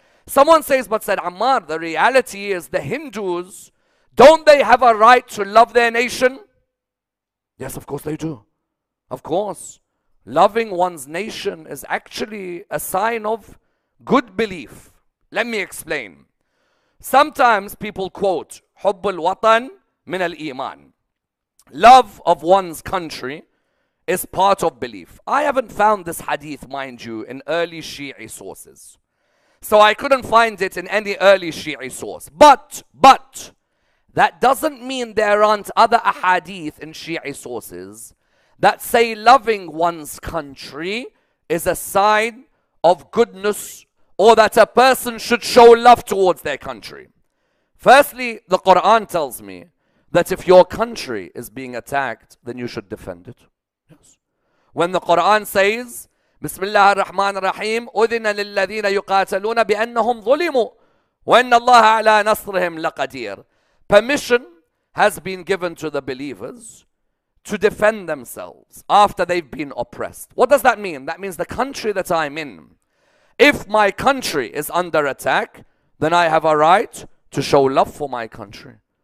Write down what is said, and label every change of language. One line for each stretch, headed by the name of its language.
English: Someone says, but said, Ammar, the reality is the Hindus, don't they have a right to love their nation? Yes, of course they do. Of course. Loving one's nation is actually a sign of good belief. Let me explain. Sometimes people quote,
Arabic: حب الوطن من الإيمان.
English: Love of one's country is part of belief. I haven't found this hadith, mind you, in early Shi'i sources. So I couldn't find it in any early Shi'i source. But, that doesn't mean there aren't other ahadith in Shi'i sources that say loving one's country is a sign of goodness, or that a person should show love towards their country. Firstly, the Quran tells me that if your country is being attacked, then you should defend it. Yes. When the Quran says,
Arabic: Bismillah ar-Rahman ar-Rahim, أُذِنَ لِلَّذِينَ يُقَاتَلُونَ بِأَنَّهُمْ ظُلِمُوا وَإِنَّ اللَّهَ عَلَىٰ نَصْرِهِمْ لَقَدِيرٌ.
English: Permission has been given to the believers to defend themselves after they've been oppressed. What does that mean? That means the country that I'm in, if my country is under attack, then I have a right to show love for my country.